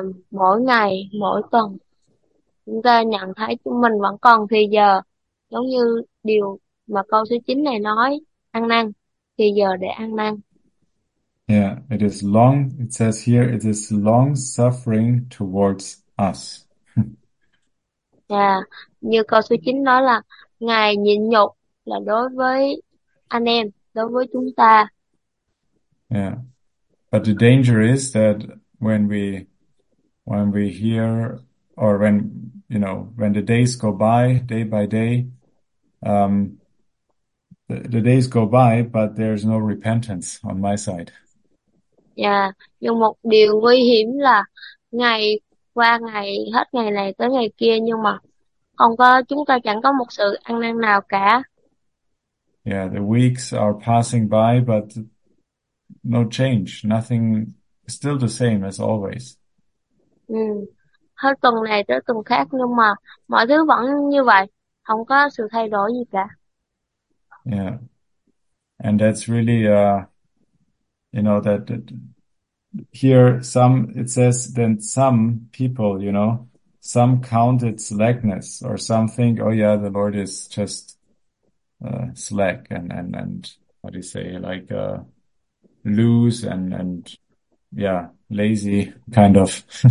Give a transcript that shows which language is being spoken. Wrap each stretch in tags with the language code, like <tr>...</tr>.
<vi>Mỗi ngày, mỗi tuần, chúng ta nhận thấy chúng mình vẫn còn thì giờ, giống như điều mà câu số 9 này nói, ăn năn, thì giờ để ăn năn.</vi> <en>Yeah, it is long, it says here, it is long suffering towards us.</en> <vi>Như câu số 9 nói là ngài nhịn nhục là đối với anh em, đối với chúng ta.</vi> <en>Yeah. But the danger is that when we hear, or when the days go by day, the days go by, but there's no repentance on my side.</en> <vi>Nhưng một điều nguy hiểm là ngày qua ngày, hết ngày này tới ngày kia, nhưng mà chúng ta chẳng có một sự ăn năn nào cả.</vi> <en>Yeah, the weeks are passing by, but no change, nothing, still the same as always.</en> <vi>Hết tuần này tới tuần khác nhưng mà mọi thứ vẫn như vậy. không có sự thay đổi gì cả.</vi> <en>And that's really you know that here some it says then some people, you know, some count it slackness or something. Oh yeah, the Lord is just slack and what do you say, like loose and yeah, lazy kind of.</en>